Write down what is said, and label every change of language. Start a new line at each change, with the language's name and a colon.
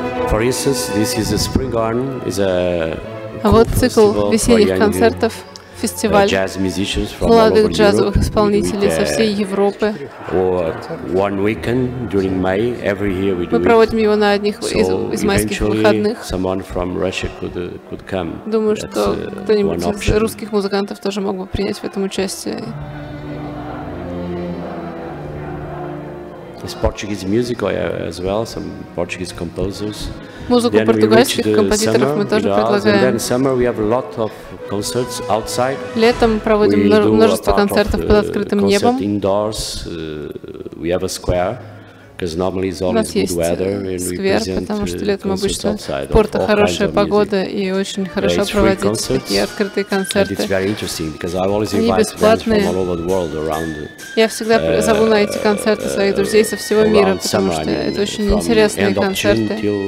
English: For instance, this is a Spring Garden, is a
Russian: а вот цикл весенних концертов, фестиваль молодых джазовых исполнителей со всей Европы.
English: May, every year we
Russian: мы проводим его на одних из майских выходных.
English: Could come.
Russian: Думаю, что кто-нибудь из русских музыкантов тоже мог бы принять в этом участие.
English: Is Portuguese music as well, some Portuguese composers.
Russian: Музыку then португальских композиторов мы тоже предлагаем.
English: And then summer we have a lot of concerts outside.
Russian: Летом проводим множество концертов под открытым небом.
English: Indoors, we have a square, because normally it's always good weather. And we
Russian: сквер, потому что летом обычно в Порто хорошая погода и очень хорошо проводить такие открытые концерты.
English: It's very interesting because I always invite friends from all over the world around.
Russian: Я всегда зову на эти концерты своих друзей со всего мира, потому что это очень интересные концерты.